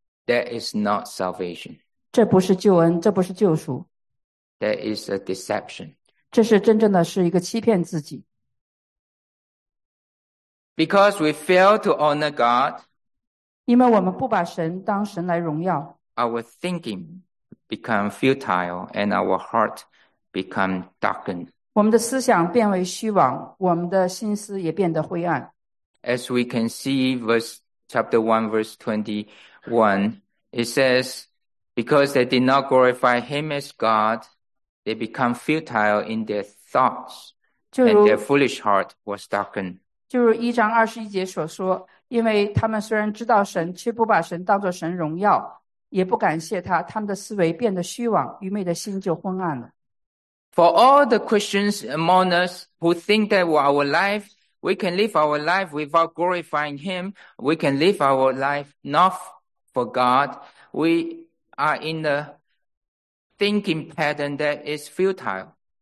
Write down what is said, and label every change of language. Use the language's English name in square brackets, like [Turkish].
[English] That is not salvation. [Chinese] 这不是救恩,这不是救赎。 [English] That is a deception. [Chinese] 这是真正的是一个欺骗自己。 [English] Because we fail to honor God, [Chinese] 因为我们不把神当神来荣耀, [English] our thinking become futile and our heart become darkened. [Chinese] 我们的思想变为虚妄, 我们的心思也变得灰暗。 [English] As we can see, chapter 1, verse 21, it says, Because they did not glorify him as God, they become futile in their thoughts, [Chinese] 就如, [English] and their foolish heart was darkened. [Chinese] 就如1章21节所说, 因为他们虽然知道神, 却不把神当作神荣耀, 也不感谢他, 他们的思维变得虚妄, 愚昧的心就昏暗了。 [English] For all the Christians among us who think that our life, we can live our life without glorifying him, we can live our life not for God, we are in the thinking pattern that is futile.